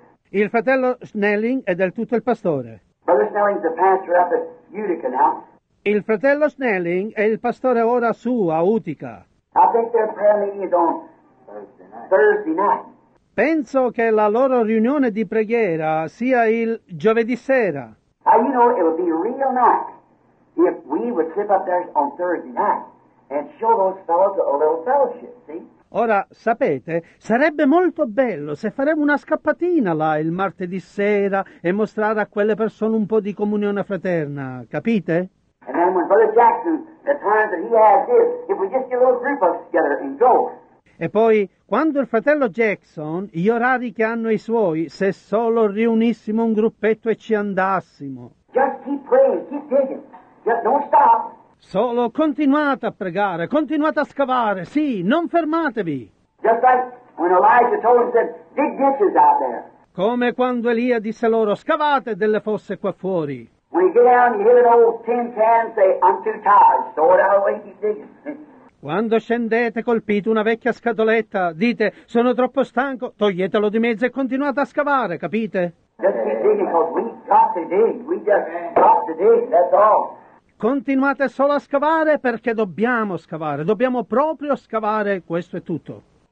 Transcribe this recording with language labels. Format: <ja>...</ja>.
<it>Il fratello Snelling è del tutto il pastore.</it> <en>Brother Snelling is the pastor up at Utica now.</en> <it>Il fratello Snelling è il pastore ora su a Utica.</it> <en>I think their prayer meeting is on Thursday night.</en> <it>Penso che la loro riunione di preghiera sia il giovedì sera.</it> <en>You know, it would be real nice if we would trip up there on Thursday night and show those fellows a little fellowship, see?</en> <it>Ora, sapete, sarebbe molto bello se faremo una scappatina là il martedì sera e mostrare a quelle persone un po' di comunione fraterna, capite?</it> <en>And then when Brother Jackson, the time that he has this, if we just get a little group of us together and go.</en> <it>E poi, quando il fratello Jackson, gli orari che hanno i suoi, se solo riunissimo un gruppetto e ci andassimo.</it> <en>Just keep praying, keep digging. Just don't stop.</en> <it>Solo continuate a pregare, continuate a scavare, sì, non fermatevi.</it> <en>Just like when Elijah told him, said, dig ditches out there.</en> <it>Come quando Elia disse loro, scavate delle fosse qua fuori.</it> <en>When you get down, you hit an old tin can, say, I'm too tired, throw it out away, keep digging.</en> <it>Quando scendete, colpite una vecchia scatoletta, dite, sono troppo stanco, toglietelo di mezzo e continuate a scavare, capite?</it> <en>Just keep digging, because we got to dig, we just got to dig, that's all.</en> <it>Continuate solo a scavare perché dobbiamo scavare, dobbiamo proprio scavare, questo è tutto.</it>